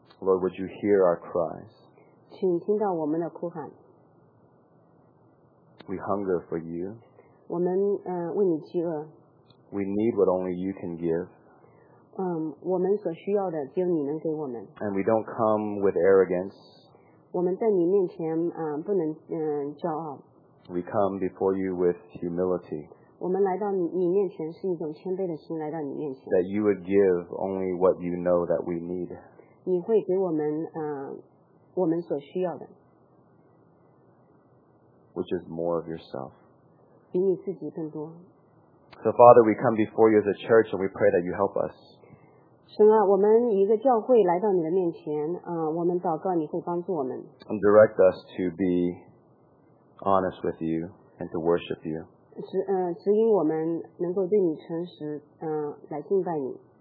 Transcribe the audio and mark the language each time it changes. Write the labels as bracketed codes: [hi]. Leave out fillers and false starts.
[en] Lord, would you hear our cries? [zh] 请听到我们的哭喊。 [en] We hunger for you. [zh] 我们为你饥饿。 [en] We need what only you can give. [zh] 我们所需要的只有你能给我们。 [en] And we don't come with arrogance. [zh] 我们在你面前不能骄傲。 [en] We come before you with humility. [zh] 我们来到你面前是一种谦卑的心来到你面前。 [en] That you would give only what you know that we need. [zh] 你会给我们我们所需要的。 [en] Which is more of yourself. [zh] 比你自己更多。 [en] So Father, we come before you as a church and we pray that you help us. [zh] 神啊，我们一个教会来到你的面前我们祷告你会帮助我们。 [en] And direct us to be honest with you and to worship you. [zh] 指引我们能够对你诚实来敬拜你。